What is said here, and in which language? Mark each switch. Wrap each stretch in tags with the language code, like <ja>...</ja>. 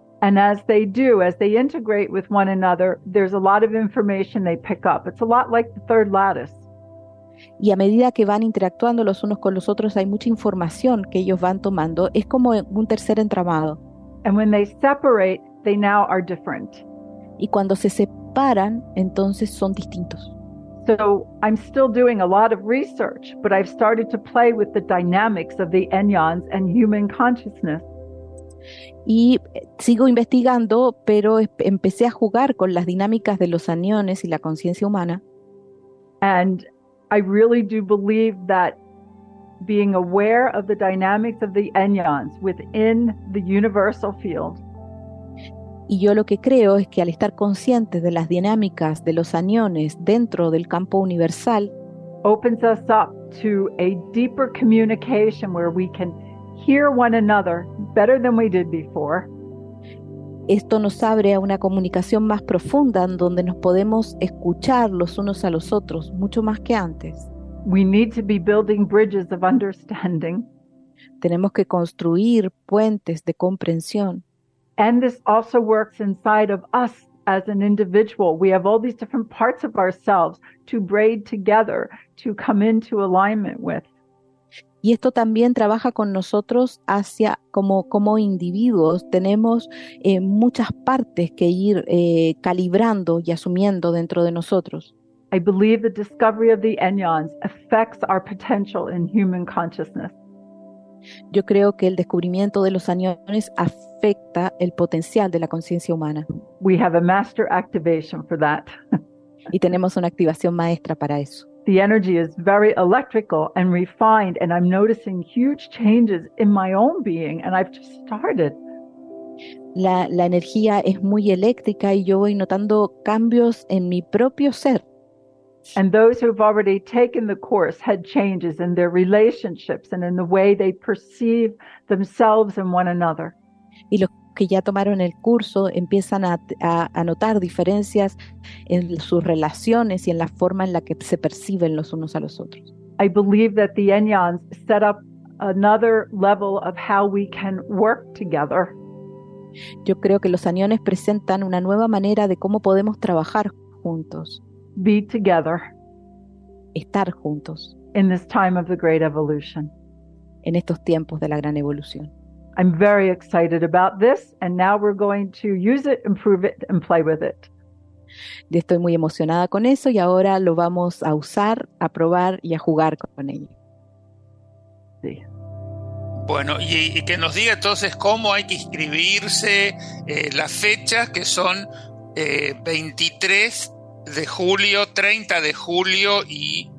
<en>And as they do, as they integrate with one another, there's a lot of information they pick up. It's a lot like the third lattice.</en> <es>Y a medida que van interactuando los unos con los otros, hay mucha información que ellos van tomando. Es como un tercer entramado.</es> <en>And when they separate, they now are different.</en> <es>Y cuando se separan, entonces son distintos.</es> <en>So I'm still doing a lot of research, but I've started to play with the dynamics of the anions and human consciousness.</en> <es>Y sigo investigando, pero empecé a jugar con las dinámicas de los aniones y la conciencia humana.</es> <en>And I really do believe that being aware of the dynamics of the anions within the universal field.</en> <es>Y yo lo que creo es que al estar conscientes de las dinámicas de los aniones dentro del campo universal,</es> <en>opens us up to a deeper communication where we can hear one another better than we did before.</en> <es>Esto nos abre a una comunicación más profunda en donde nos podemos escuchar los unos a los otros mucho más que antes.</es> <en>We need to be building bridges of understanding.</en> <es>Tenemos que construir puentes de comprensión.</es> <en>And this also works inside of us as an individual. We have all these different parts of ourselves to braid together, to come into alignment with.</en> <es>Y esto también trabaja con nosotros hacia como individuos. Tenemos muchas partes que ir calibrando y asumiendo dentro de nosotros.</es> <en>I believe the discovery of the anions affects our potential in human consciousness.</en> <es>Yo creo que el descubrimiento de los aniones afecta el potencial de la conciencia humana.</es> <en>We have a master activation for that.</en> <es>Y tenemos una activación maestra para eso.</es> <en>The energy is very electrical and refined, and I'm noticing huge changes in my own being, and I've just started.</en> <es>La energía es muy eléctrica y yo voy notando cambios en mi propio ser.</es> <en>And those who have already taken the course had changes in their relationships and in the way they perceive themselves and one another.</en> <es>Y los que ya tomaron el curso empiezan a notar diferencias en sus relaciones y en la forma en la que se perciben los unos a los otros.</es> <en>I believe that the Enyans set up another level of how we can work together.</en> <es>Yo creo que los aniones presentan una nueva manera de cómo podemos trabajar juntos.</es> <en>Be together.</en> <es>Estar juntos.</es> <en>In this time of the great evolution.</en> <es>En estos tiempos de la gran evolución.</es> <en>I'm very excited about this, and now we're going to use it, improve it, and play with it.</en> <es>Estoy muy emocionada con eso y ahora lo vamos a usar, a probar y a jugar con ello. Sí. Bueno, y que nos diga entonces cómo hay que inscribirse, las fechas, que son 23 de julio, 30 de julio y</es>